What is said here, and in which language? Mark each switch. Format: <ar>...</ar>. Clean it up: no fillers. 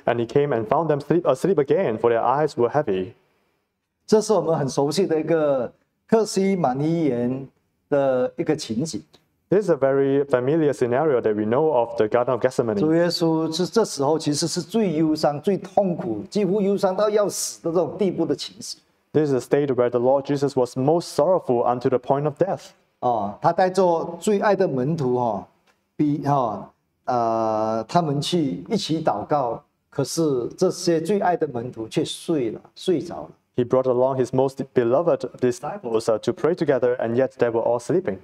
<en>And he came and found them asleep again, for their eyes were heavy.</en> <zh>这是我们很熟悉的一个克西马尼园的一个情景。</zh> <en>This is a very familiar scenario that we know of the Garden of Gethsemane.</en> <zh>主耶稣是这时候其实是最忧伤、最痛苦、几乎忧伤到要死的这种地步的情形。</zh> <en>This is a state where the Lord Jesus was most sorrowful unto the point of death.</en> <zh>哦，他带着最爱的门徒哈、哦，比哈、哦、他们去一起祷告，可是这些最爱的门徒却睡着了。</zh> <en>He brought along his most beloved disciples to pray together, and yet they were all sleeping.</en>